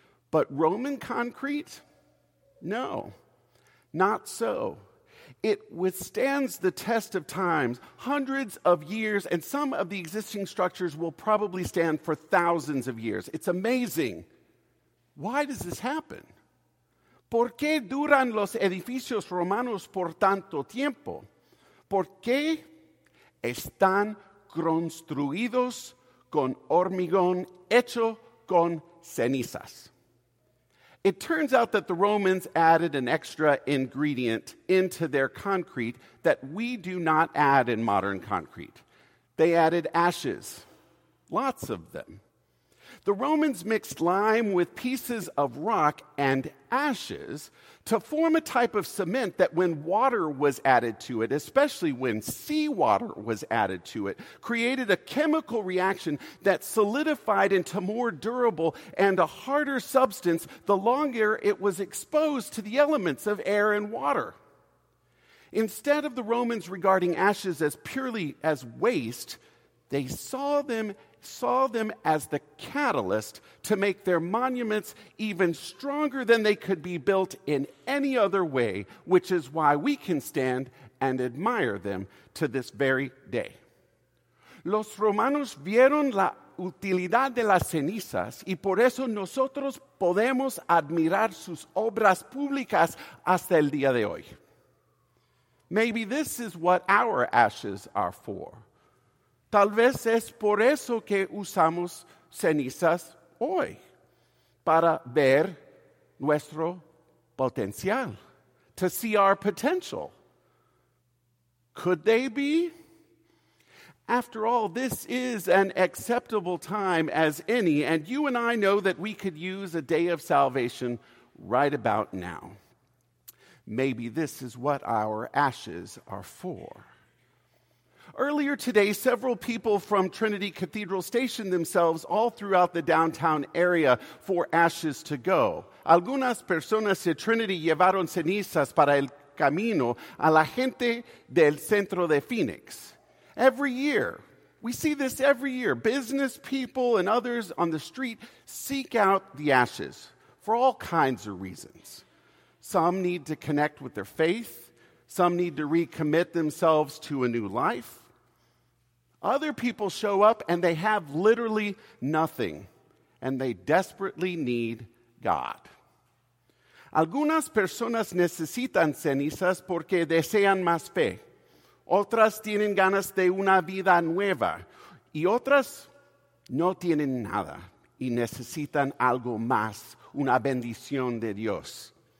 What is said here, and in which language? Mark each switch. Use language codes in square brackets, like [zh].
[en] But Roman concrete? No, not so. It withstands the test of times, hundreds of years, and some of the existing structures will probably stand for thousands of years. It's amazing. Why does this happen? [es] ¿Por qué duran los edificios romanos por tanto tiempo? ¿Por qué están construidos con hormigón hecho con cenizas? [en] It turns out that the Romans added an extra ingredient into their concrete that we do not add in modern concrete. They added ashes, lots of them. The Romans mixed lime with pieces of rock and ashes to form a type of cement that when water was added to it, especially when seawater was added to it, created a chemical reaction that solidified into more durable and a harder substance the longer it was exposed to the elements of air and water. Instead of the Romans regarding ashes as purely as waste, they saw them as the catalyst to make their monuments even stronger than they could be built in any other way, which is why we can stand and admire them to this very day. [es] Los romanos vieron la utilidad de las cenizas y por eso nosotros podemos admirar sus obras públicas hasta el día de hoy. [en] Maybe this is what our ashes are for. [es] Tal vez es por eso que usamos cenizas hoy, para ver nuestro potencial, [en] to see our potential. Could they be? After all, this is an acceptable time as any, and you and I know that we could use a day of salvation right about now. Maybe this is what our ashes are for. Earlier today, several people from Trinity Cathedral stationed themselves all throughout the downtown area for ashes to go. [es] Algunas personas de Trinity llevaron cenizas para el camino a la gente del centro de Phoenix. [en] Every year, we see this every year, business people and others on the street seek out the ashes for all kinds of reasons. Some need to connect with their faith. Some need to recommit themselves to a new life. Other people show up and they have literally nothing, and they desperately need God. [es] Algunas personas necesitan cenizas porque desean más fe. Otras tienen ganas de una vida nueva. Y otras no tienen nada y necesitan algo más, una bendición de Dios.